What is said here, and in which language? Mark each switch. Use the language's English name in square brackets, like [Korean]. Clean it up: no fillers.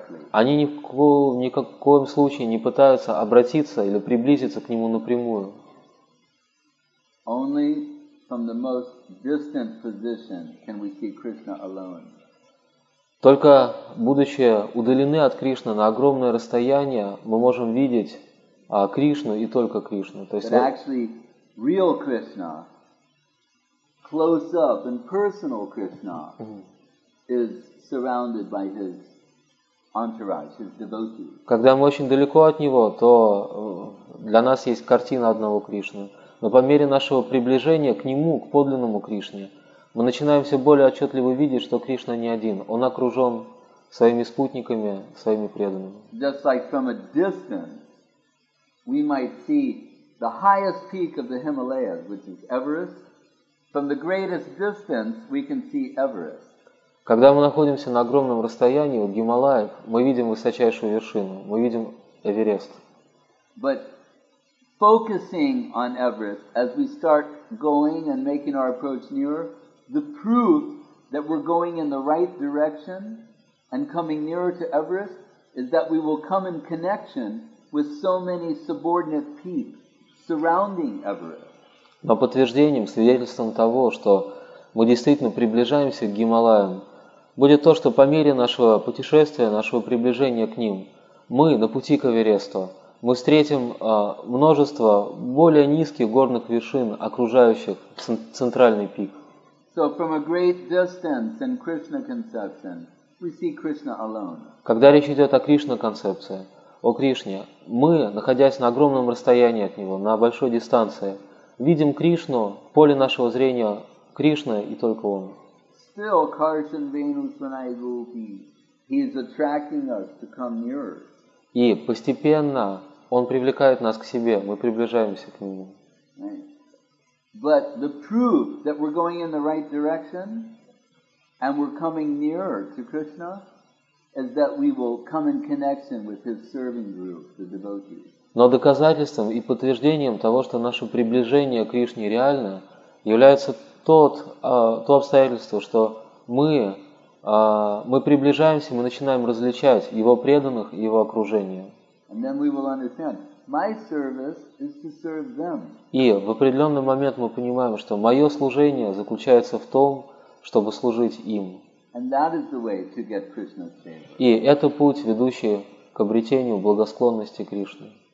[Russian] Они ни в коем случае не пытаются обратиться или приблизиться к Нему напрямую. [English] Only from the most distant position can we see Krishna alone. [Russian] Только будучи удалены от Кришны на огромное расстояние, мы можем видеть Кришну и только Кришну. То есть, [English] but actually, real Krishna, close up and personal Krishna, is surrounded by his entourage, his devotees. [Russian] Когда мы очень далеко от него, то для нас есть картина одного Кришны. Но по мере нашего приближения к нему, к подлинному Кришне, мы начинаем все более отчетливо видеть, что Кришна не один. Он окружен своими спутниками, своими преданными. [English] Just like from a distance, we might see the highest peak of the Himalayas, which is Everest. From the greatest distance, we can see Everest. [Russian] Когда мы находимся на огромном расстоянии от Гималаев, мы видим высочайшую вершину, мы видим Эверест. [English] But focusing on Everest, as we start going and making our approach nearer, the proof that we're going in the right direction and coming nearer to Everest is that we will come in connection with so many subordinate peaks surrounding Everest. [Russian] Но подтверждением, свидетельством того, что мы действительно приближаемся к Гималаям, будет то, что по мере нашего путешествия, нашего приближения к ним, мы на пути к Эвересту, мы встретим множество более низких горных вершин, окружающих центральный пик. [English] So from a great distance in Krishna conception, we see Krishna alone. [Russian] Когда речь идет о Кришна концепции, о Кришне, мы, находясь на огромном расстоянии от Него, на большой дистанции, видим Кришну, в поле нашего зрения Кришна и только Он. [English] Still, Karshan Venu Sunai Gopi, he is attracting us to come nearer. [Russian] И постепенно Он привлекает нас к Себе, мы приближаемся к Нему. [English] But the proof that we're going in the right direction and we're coming nearer to Krishna is that we will come in connection with his serving group, the devotees. [Russian] Но доказательством и подтверждением того, что наше приближение к Кришне реально, является то обстоятельство, что мы приближаемся, мы начинаем различать его преданных и его окружение. [English] And then we will understand my service is to serve them. [Russian] И в определенный момент мы понимаем, что мое служение заключается в том, чтобы служить им. [English] And that is the way to get Krishna's favor. [Russian] И это путь, ведущий к обретению благосклонности Кришны.